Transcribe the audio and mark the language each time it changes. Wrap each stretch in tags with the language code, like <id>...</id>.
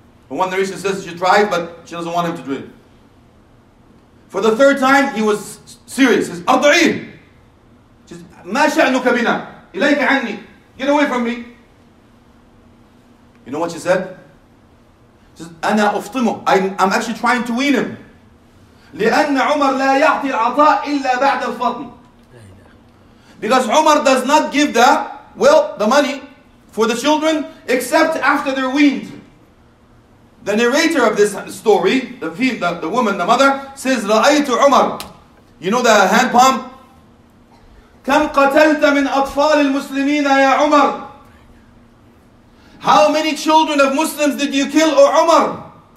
<en>And one narration says she tried, but she doesn't want him to do it. For the third time, he was serious. He says, Ardu'ih. She says,</en> <ar>Ma sha'nuka bina? Ilayka anni.</ar> <en>Get away from me. You know what she said? She says,</en> <ar>أنا أفطمه.</ar> <en>I'm actually trying to wean him.</en> <ar>لأن عمر لا يعطي العطاء إلا بعد الفطم.</ar> <en>Because عمر does not give the money for the children except after they're weaned. The narrator of this story, the woman, the mother, says,</en> <ar>رأيت عمر.</ar> <en>You know the hand palm?</en> <ar>كم قتلت من أطفال المسلمين يا عمر؟</ar> <en>How many children of Muslims did you kill, O Umar?</en>